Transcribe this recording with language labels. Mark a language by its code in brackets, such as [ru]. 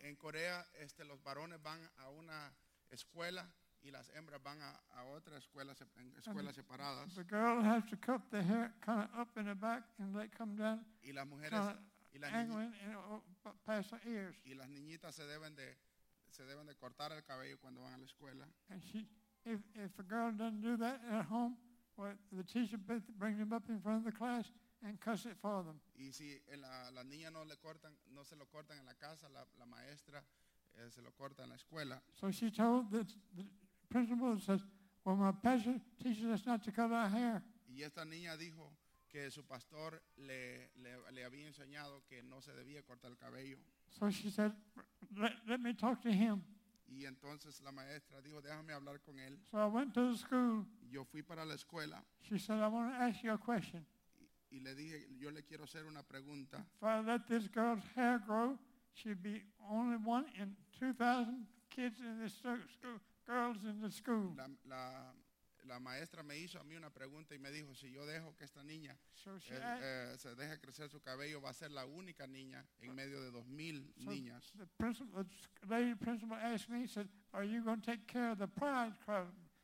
[es] En Corea, los varones van a una escuela y las hembras van a otra escuela, escuelas separadas. [en] The girl has to cut the hair kind of up in the back and let it come down. [es] Y las mujeres y las [en] niñitas past her ears. [es] Y las niñitas se deben de cortar el cabello cuando van a la escuela. [en] And she, if a girl doesn't do that at home, well, the teacher brings them up in front of the class and cuss it for them. [es] Y si la niña no le cortan, no se lo cortan en la casa, la maestra se lo corta en la escuela. [en] So she told the principal, says, well, my pastor teaches us not to cut our hair. [es] Y esta niña dijo que su pastor le había enseñado que no se debía cortar el cabello. [en] So she said, let me talk to him. [es] Y entonces la maestra dijo, déjame hablar con él. [en] So I went to the school. [es] Yo fui para la escuela. [en] She said, I want to ask you a question. [es] Y le dije, yo le quiero hacer una pregunta. [en] If I let this girl's hair grow, she'd be only one in 2,000 kids in this school, girls in the school. [es] La maestra me hizo a mí una pregunta y me dijo, si yo dejo que esta niña se deje crecer su cabello, va a ser la única niña en medio de 2,000 niñas. [en] The principal, the lady principal asked me, said, are you going to take care of the pride problem?